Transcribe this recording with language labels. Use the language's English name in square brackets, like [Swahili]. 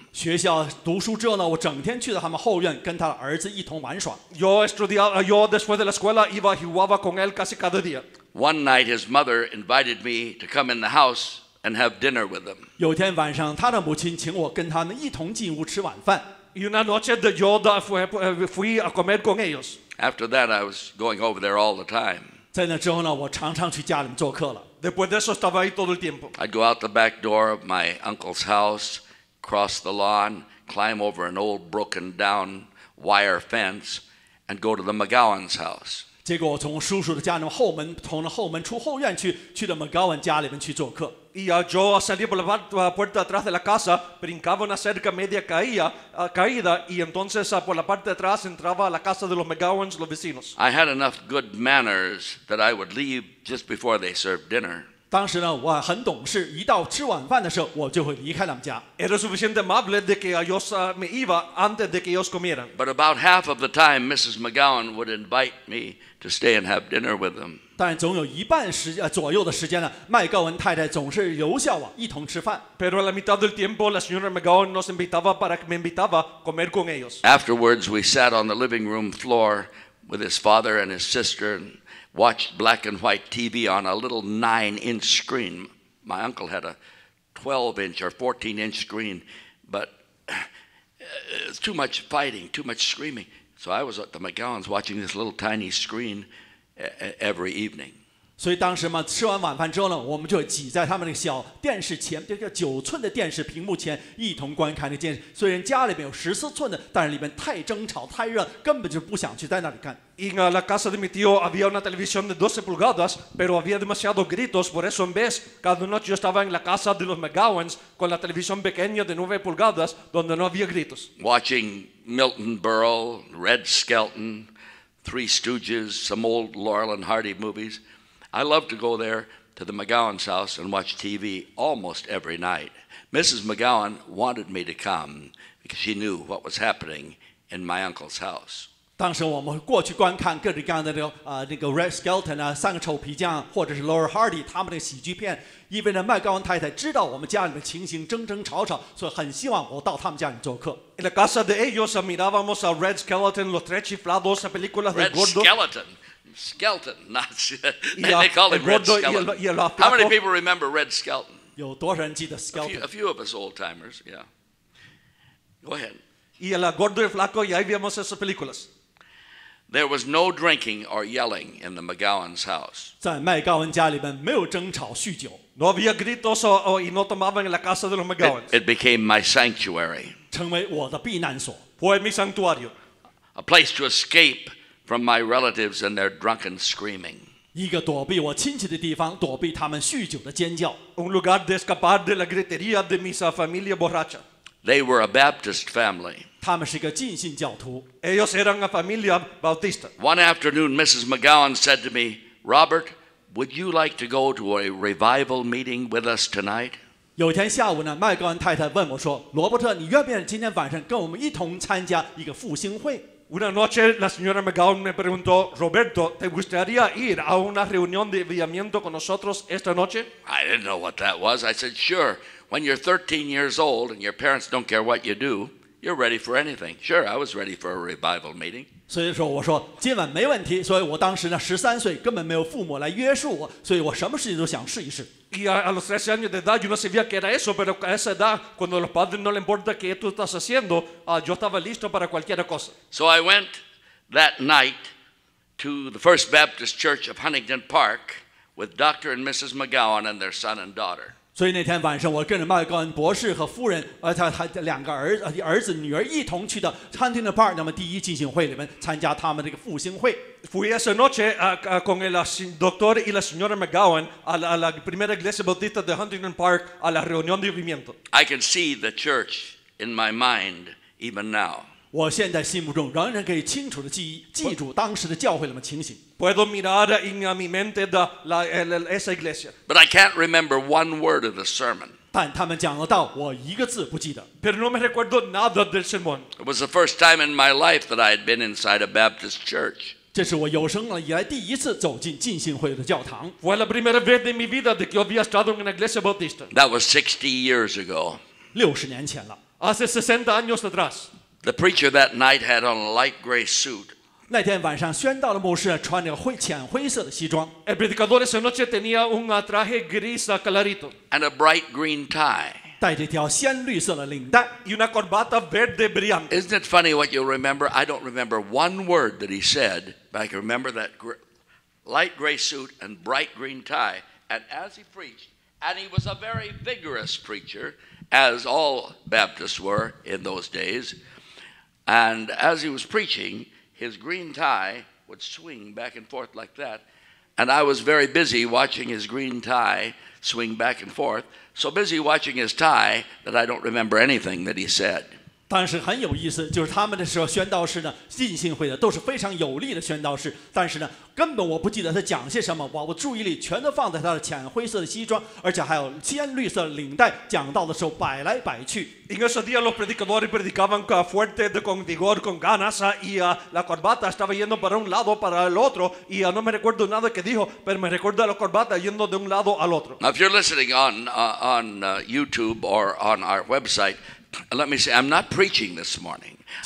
[Chinese] 学校读书之后呢，我整天去到他们后院跟他的儿子一同玩耍。 [Spanish] Yo estudiaba, yo después de la escuela iba y jugaba con él casi cada día. [English] One night, his mother invited me to come in the house and have dinner with them. [Chinese] 有天晚上，他的母亲请我跟他们一同进屋吃晚饭。 [Spanish] Y una noche de yo fui a comer con ellos. [English] After that, I was going over there all the time. [Chinese] 在那之后呢，我常常去家里做客了。 [Spanish] Después de eso estaba ahí todo el tiempo. [English] I'd go out the back door of my uncle's house. Cross the lawn, climb over an old broken down wire fence, and go to the McGowan's house. [Chinese] 结果我从叔叔的家里后门，从后门出后院去到 McGowan 家里面去做客。 [Spanish] Y yo salí por la puerta de atrás de la casa, brincaba una cerca media caída, y entonces por la parte de atrás entraba a la casa de los McGowan's, los vecinos. [English] I had enough good manners that I would leave just before they served dinner. [Chinese] 当时呢，我很懂事，一到吃晚饭的时候，我就会离开他们家。 [Spanish] Era suficiente amable de que ellos me iba antes de que ellos comieran. [English] But about half of the time, Mrs. McGowan would invite me to stay and have dinner with them. [Chinese] 但总有一半时左右的时间呢，麦高文太太总是留下我一同吃饭。 [Spanish] Pero a la mitad del tiempo, la señora McGowan nos invitaba para que me invitaba comer con ellos. [English] Afterwards, we sat on the living room floor with his father and his sister. Watched black and white TV on a little 9-inch screen. My uncle had a 12-inch or 14-inch screen, but it was too much fighting, too much screaming. So I was at the McGowan's watching this little tiny screen every evening. [Chinese] 所以当时嘛，吃完晚饭之后呢，我们就挤在他们那个小电视前，这个9寸的电视屏幕前，一同观看那电视。虽然家里面有14寸的，但是里面太争吵太热，根本就不想去在那里看。 [Spanish] En la casa de mi tío había una televisión de 12 pulgadas, pero había demasiados gritos, por eso en vez, cada noche yo estaba en la casa de los McGowan's con la televisión pequeña de 9 pulgadas, donde no había gritos. [English] Watching Milton Berle, Red Skelton, Three Stooges, some old Laurel and Hardy movies, I loved to go there to the McGowan's house and watch TV almost every night. Mrs. McGowan wanted me to come because she knew what was happening in my uncle's house. [Chinese] 当时我们过去观看各种各样的那个 Red Skelton 啊，三个臭皮匠，或者是 Laurel Hardy 他们的喜剧片，因为呢麦高文太太知道我们家里的情形争争吵吵，所以很希望我到他们家里做客。 [Spanish] En la casa de ellos mirábamos a Red Skelton los tres chiflados películas de gordo. [English] Red Skelton, Skelton, not they call him Red Skelton. How many people remember Red Skelton? [Chinese] 有多少人记得 Skelton? [English] A few of us old timers, yeah. Go ahead. [Spanish] Y el gordo y el flaco ya vimos esas películas. [English] There was no drinking or yelling in the McGowan's house. [Chinese] 在麦高文家里边没有争吵酗酒。 [Spanish] No había gritos y no tomaban en la casa de los McGowan. [English] It became my sanctuary. [Chinese] 成为我的避难所。 [Spanish] Fue mi santuario. [English] A place to escape from my relatives and their drunken screaming. [Chinese] 一个躲避我亲戚的地方，躲避他们酗酒的尖叫。 [Spanish] Un lugar de escapar de la gritería de mi familia borracha. [English] They were a Baptist family. [Chinese] 他们是一个浸信教徒。 [Spanish] Ellos eran una familia bautista. [English] One afternoon, Mrs. McGowan said to me, "Robert, would you like to go to a revival meeting with us tonight?" [Chinese] 有天下午呢，麦高恩太太问我说，罗伯特，你愿不愿意今天晚上跟我们一同参加一个复兴会 [Spanish] ？Una noche, la señora McGowan me preguntó, "Roberto, ¿te gustaría ir a una reunión de avivamiento con nosotros esta noche?" [English] I didn't know what that was. I said, "Sure. When you're 13 years old and your parents don't care what you do." You're ready for anything. Sure, I was ready for a revival meeting. [Chinese] 所以说我说今晚没问题，所以我当时呢13岁根本没有父母来约束我，所以我什么事情都想试一试。 [Spanish] Y a los 13 años de edad yo no sabía qué era eso, pero a esa edad cuando a los padres no les importa qué tú estás haciendo, yo estaba listo para cualquier cosa. [English] So I went that night to the First Baptist Church of Huntington Park with Dr. and Mrs. McGowan and their son and daughter. [Chinese] 所以那天晚上我跟着麦高恩博士和夫人他两个儿子女儿一同去的 Huntington Park 那么第一进行会里面参加他们这个复兴会。 [Spanish] Fui esa noche con el doctor y la señora McGowan a la primera iglesia bautista de Huntington Park a la reunión de avivamiento. [English] I can see the church in my mind even now. [Chinese] 我现在心目中仍然可以清楚地记住当时的教会里面情形。 [Spanish] Puedo mirar en mi mente de la, la, la, esa iglesia. [English] But I can't remember one word of the sermon. [Chinese] 但他们讲得到我一个字不记得。 [Spanish] Pero no me recuerdo nada del sermón. [English] It was the first time in my life that I had been inside a Baptist church. [Chinese] 这是我有生以来第一次走进浸信会的教堂。 [Spanish] Fue la primera vez de mi vida que había estado en una iglesia bautista. [English] That was 60 years ago. [Chinese] 60年前了。 [Spanish] Hace 60 años atrás. [English] The preacher that night had on a light gray suit. [Chinese] 那天晚上宣道的牧师穿着浅灰色的西装 [Spanish] El predicador esa noche tenía un traje gris clarito [English] And a bright green tie [Chinese] 带着一条鲜绿色的领带 [Spanish] Y una corbata verde brillante [English] Isn't it funny what you remember? I don't remember one word that he said But I can remember that light gray suit and bright green tie And as he preached And he was a very vigorous preacher As all Baptists were in those days And as he was preachingHis green tie would swing back and forth like that, and I was very busy watching his green tie swing back and forth. So busy watching his tie that I don't remember anything that he said. [Chinese] 当时很有意思，就是他们的时候宣道士呢，浸信会的都是非常有力的宣道士，但是呢，根本我不记得他讲些什么，把我注意力全都放在他的浅灰色的西装，而且还有鲜绿色领带，讲道的时候摆来摆去。 [Spanish] En ese día los predicadores predicaban fuerte, con vigor, con ganas, y la corbata estaba yendo para un lado, para el otro, y no me recuerdo nada que dijo, pero me recuerdo la corbata yendo de un lado al otro. [English] Now, if you're listening on YouTube or on our website, let me say, I'm not preaching this morning.